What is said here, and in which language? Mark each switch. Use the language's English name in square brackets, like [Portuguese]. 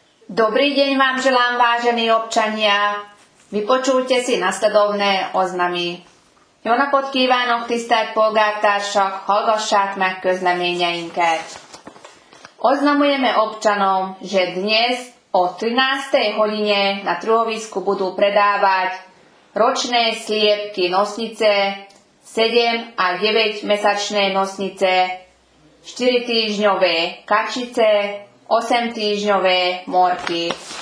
[Slovak] Dobrý deň vám želám, vážení občania. Vypočujte si nasledovné oznamy. [Hungarian] Jónapot kívánok, tisztelt polgártársak, hallgassák meg közleményeinket. [Slovak] Oznamujeme občanom, že dnes o 13. hodine na truhovisku budú predávať ročné sliepky nosnice, 7 a 9 mesačné nosnice, 4 týždňové kačice, 8 týždňové morky.